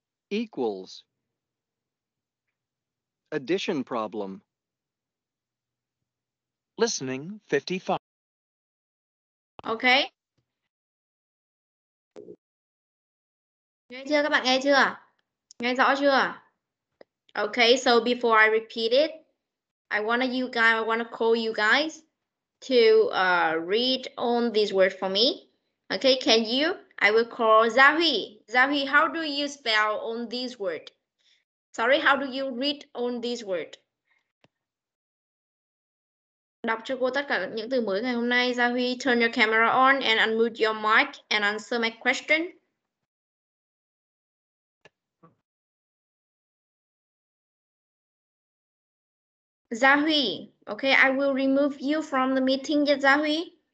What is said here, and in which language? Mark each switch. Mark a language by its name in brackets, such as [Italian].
[English] Equals. Addition problem. Listening 55. Okay. [Vietnamese] Nghe chưa các bạn, nghe chưa? Nghe rõ chưa? [English] Okay, so before I repeat it, I want to call you guys to read on these words for me. Okay, can you? I will call Zahui. Zahui, how do you spell on these words? Sorry, how do you read on these words? [Vietnamese] Đọc cho cô tất cả những từ mới ngày hôm nay. [English] Zahui, turn your camera on and unmute your mic and answer my question. Zahui, okay, I will remove you from the meeting, Zahui.